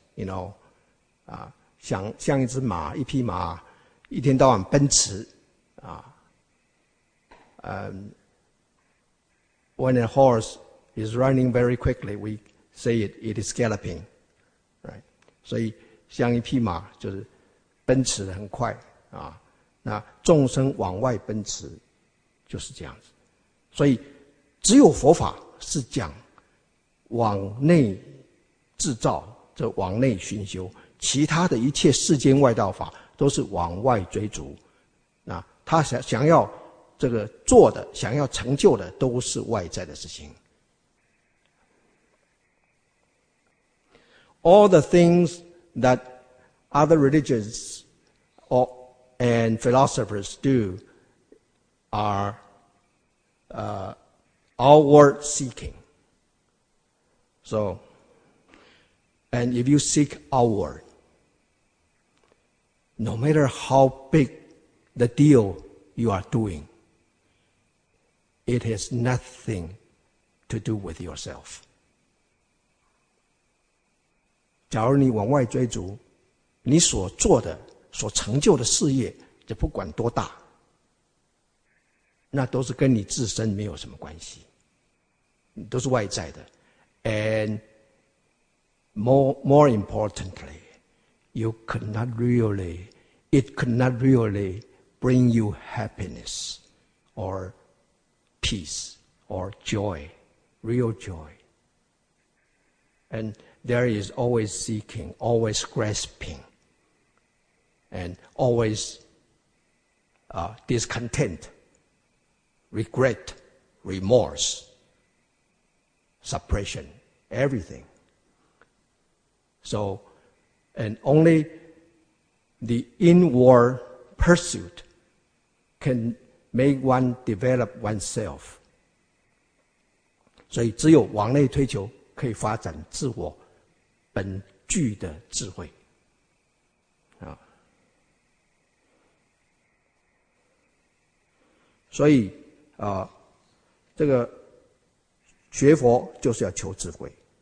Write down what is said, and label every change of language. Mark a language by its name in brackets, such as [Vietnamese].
[English] You know, [Chinese] 啊，像一只马，一匹马，一天到晚奔驰，啊， [English] when a horse is running very quickly, we say it is galloping, right? [Chinese] 所以像一匹马就是奔驰很快啊。那众生往外奔驰就是这样子。所以只有佛法是讲往内制造。这往内熏修，其他的一切世间外道法都是往外追逐。那他想要这个做的，想要成就的，都是外在的事情。 [English] All the things that other religions and philosophers do are outward seeking. So. And if you seek outward, no matter how big the deal you are doing, it has nothing to do with yourself. [Chinese] 假如你往外追逐，你所做的、所成就的事业，这不管多大，那都是跟你自身没有什么关系，都是外在的。 [English] And,More importantly, it could not really bring you happiness or peace or joy, real joy. And there is always seeking, always grasping, and always discontent, regret, remorse, suppression, everything. So, and only the inward pursuit can make one develop oneself. [Chinese] 所以只有往内推求可以发展自我本具的智慧。所以这个学佛就是要求智慧。